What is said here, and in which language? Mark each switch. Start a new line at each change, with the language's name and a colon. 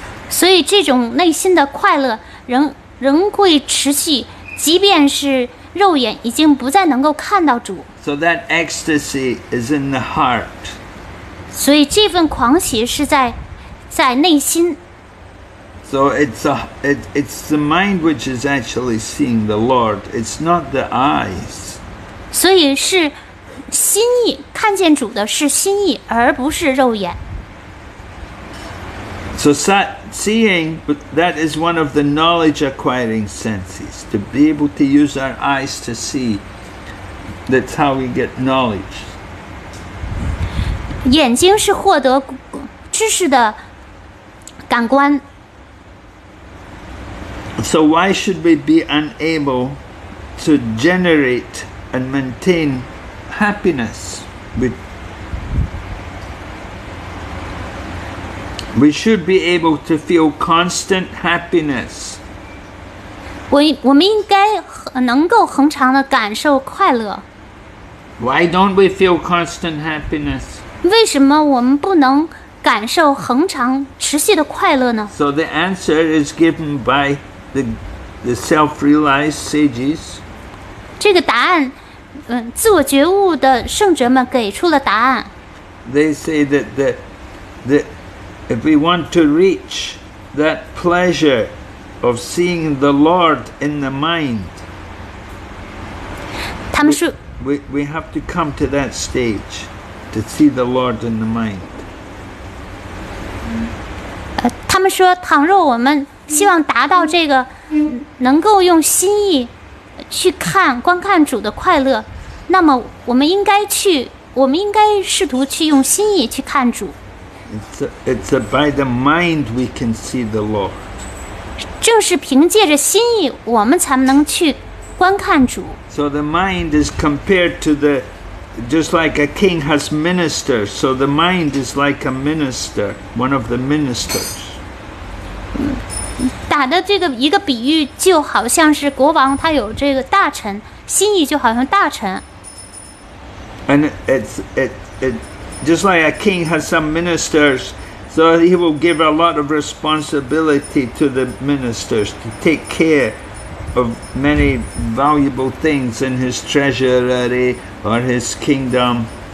Chinese: 所以这种内心的快乐仍会持续，即便是肉眼已经不再能够看到主。
English: So that ecstasy is in the heart.
Chinese: 所以这份狂喜是在内心。
English: So it's the mind which is actually seeing the Lord. It's not the eyes.
Chinese: 所以是心意，看见主的是心意，而不是肉眼。
English: So seeing, that is one of the knowledge acquiring senses, to be able to use our eyes to see. That's how we get knowledge.
Chinese: 眼睛是获得知识的感官。
English: So why should we be unable to generate and maintain happiness? We should be able to feel constant happiness.
Chinese: 我们应该能够恒常的感受快乐。
English: Why don't we feel constant happiness?
Chinese: 为什么我们不能感受恒常持续的快乐呢？
English: So the answer is given by the self-realized sages.
Chinese: 这个答案，自我觉悟的圣者们给出了答案。
English: They say that that if we want to reach that pleasure of seeing the Lord in the mind,
Chinese: 他们说
English: we have to come to that stage to see the Lord in the mind.
Chinese: 他们说，倘若我们希望达到这个，能够用心意去看观看主的快乐，那么我们应该去。我们应该试图去用心意去看主。
English: It's by the mind we can see the Lord.
Chinese: 正是凭借着心意，我们才能去观看主。
English: So the mind is compared to the, just like a king has ministers. So the mind is like a minister, one of the ministers.
Chinese: 打的这个一个比喻，就好像是国王他有这个大臣，心意就好像大臣。
English: And it's just like a king has some ministers, so he will give a lot of responsibility to the ministers to take care of many valuable things in his treasury or his kingdom.